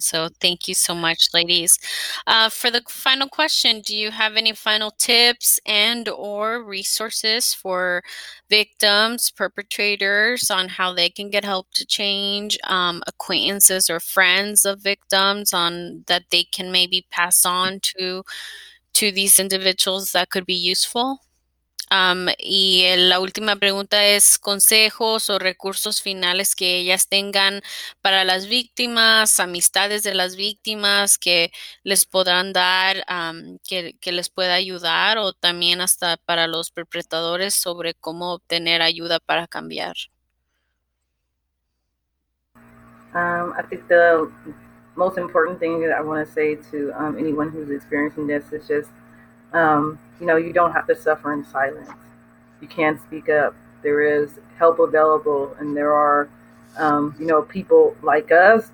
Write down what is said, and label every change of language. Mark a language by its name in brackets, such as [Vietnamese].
[English] So thank you so much, ladies. For the final question, do you have any final tips and or resources for victims, perpetrators on how they can get help to change, acquaintances or friends of victims on that they can maybe pass on to these individuals that could be useful? [Spanish] Y la última pregunta es, ¿consejos o recursos finales que ellas tengan para las víctimas, amistades de las víctimas que les podrán dar, que les pueda ayudar, o también hasta para los perpetradores sobre cómo obtener ayuda para cambiar? [English] I think the most important thing that I want to say to anyone who's experiencing this is just, you know, you don't have to suffer in silence. You can speak up. There is help available, and there are, you know, people like us.